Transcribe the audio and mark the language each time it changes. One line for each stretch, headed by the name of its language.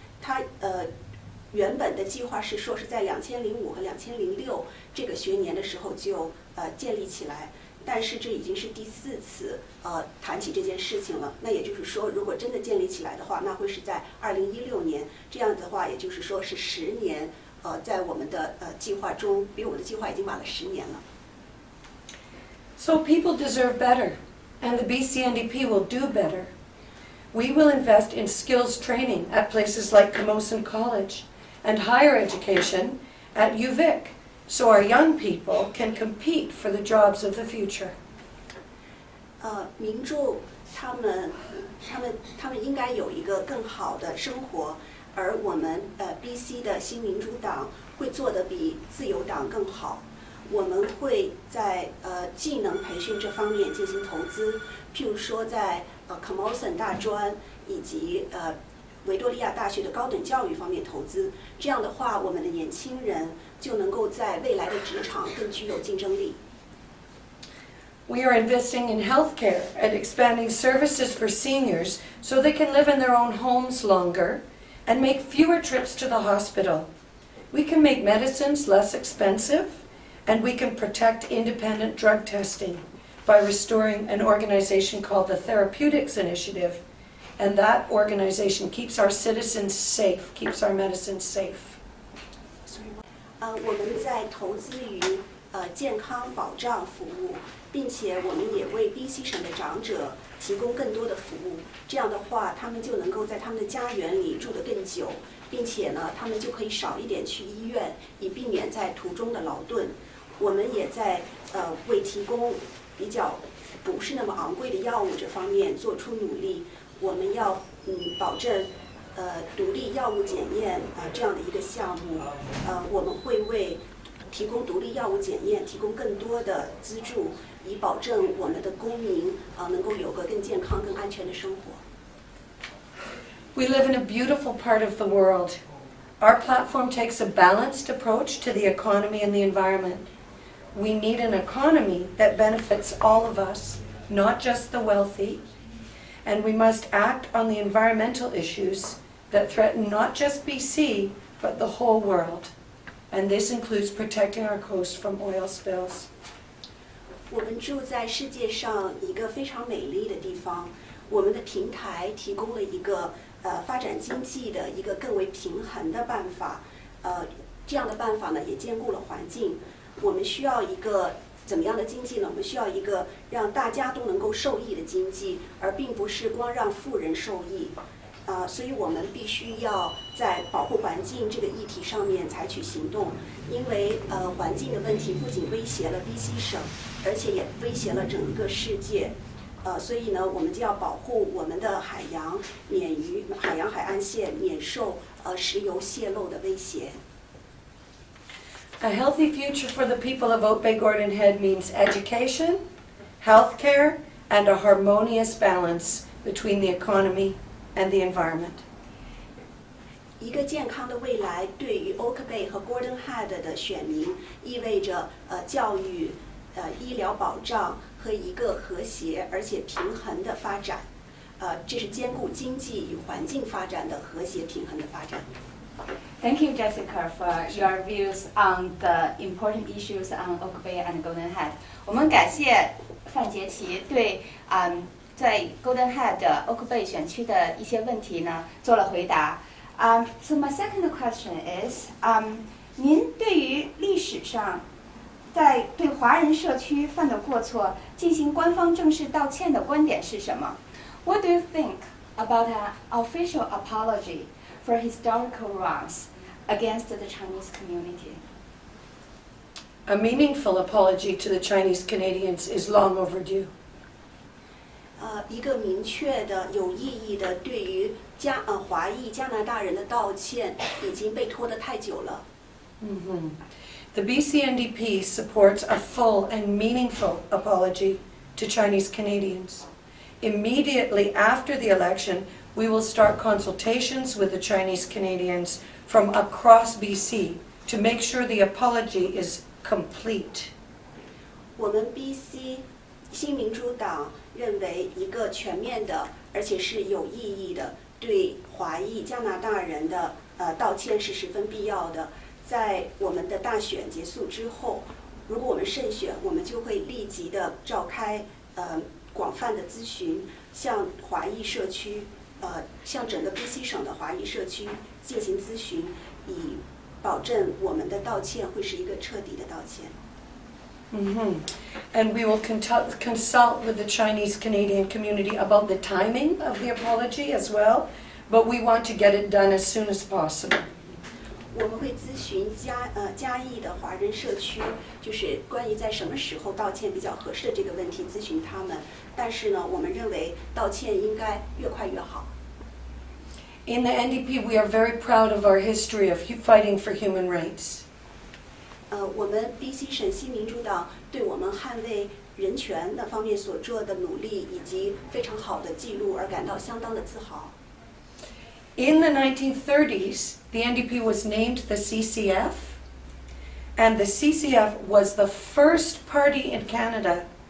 Chinese: 它原本的计划是说是在2005和2006这个学年的时候就建立起来，但是这已经是第四次谈起这件事情了。那也就是说，如果真的建立起来的话，那会是在2016年。这样的话，也就是说是十年在我们的计划中，比我们的计划已经晚了十年了。
English: So people deserve better, and the BCNDP will do better. We will invest in skills training at places like Camosun College. And higher education at UVic, so our young people can compete for the jobs of the future.
Chinese: 民众他们应该有一个更好的生活，而我们BC 的新民主党会做得比自由党更好。我们会在技能培训这方面进行投资，譬如说在Camosun 大专以及维多利亚大学的高等教育方面投资，这样的话，我们的年轻人就能够在未来的职场更具有竞争力。
English: We are investing in healthcare and expanding services for seniors so they can live in their own homes longer and make fewer trips to the hospital. We can make medicines less expensive and we can protect independent drug testing by restoring an organization called the Therapeutics Initiative. And that organization keeps our citizens safe, keeps our medicines safe.
Chinese: 我们在投资于健康保障服务，并且我们也为 BC 省的长者提供更多的服务。这样的话，他们就能够在他们的家园里住得更久，并且呢，他们就可以少一点去医院，以避免在途中的劳顿。我们也在为提供比较不是那么昂贵的药物这方面做出努力。我们要保证独立药物检验这样的一个项目，我们会为提供独立药物检验提供更多的资助，以保证我们的公民能够有个更健康更安全的生活。
English: We live in a beautiful part of the world. Our platform takes a balanced approach to the economy and the environment. We need an economy that benefits all of us, not just the wealthy. And we must act on the environmental issues that threaten not just BC, but the whole world. And this includes protecting our coast from oil spills.
Chinese: 我们住在世界上一个非常美丽的地方，我们的平台提供了一个发展经济的一个更为平衡的办法，这样的办法呢也兼顾了环境。我们需要一个怎么样的经济呢？我们需要一个让大家都能够受益的经济，而并不是光让富人受益。所以我们必须要在保护环境这个议题上面采取行动，因为环境的问题不仅威胁了 BC 省，而且也威胁了整个世界。所以呢，我们就要保护我们的海洋，免于海洋海岸线免受石油泄漏的威胁。
English: A healthy future for the people of Oak Bay Gordon Head means education, health care, and a harmonious balance between the economy and the environment.
Chinese: 一个健康的未来对于 Oak Bay 和 Gordon Head 的选民意味着教育、医疗保障和一个和谐而且平衡的发展。这是兼顾经济与环境发展的和谐平衡的发展。
English: Thank you, Jessica, for your views on the important issues on Oak Bay and Golden Head.
Chinese: 我们感谢范杰奇对在 Golden Head Oak Bay 选区的一些问题呢做了回答。
English: So my second question is,
Chinese: 您对于历史上在对华人社区犯的过错进行官方正式道歉的观点是什么？
English: What do you think about an official apology? For historical wrongs against the Chinese community. A meaningful apology to the Chinese Canadians is long overdue.
Chinese: 一个明确的、有意义的对于华裔加拿大人的道歉已经被拖得太久了。 Mm-hmm.
English: The BCNDP supports a full and meaningful apology to Chinese Canadians. Immediately after the election,We will start consultations with the Chinese Canadians from across BC to make sure the apology is complete.
Chinese: 我们 BC 新民主党认为一个全面的而且是有意义的对华裔加拿大人的道歉是十分必要的。在我们的大选结束之后，如果我们胜选，我们就会立即的召开广泛的咨询，向华裔社区。向整个BC省的华裔社区进行咨询，以保证我们的道歉会是一个彻底的道歉。 Mm-hmm.
English: And we will consult with the Chinese Canadian community about the timing of the apology as well, but we want to get it done as soon as possible.
Chinese: 我们会咨询嘉义的华人社区，就是关于在什么时候道歉比较合适的这个问题，咨询他们。但是呢，我们认为道歉应该越快越好。
English: In the NDP, we are very proud of our history of fighting for human rights.
Chinese: 我们 BC 省新民主党对我们捍卫人权那方面所做的努力以及非常好的记录而感到相当的自豪。
English: In the 1930s, the NDP was named the CCF, and the CCF was the first party in Canada.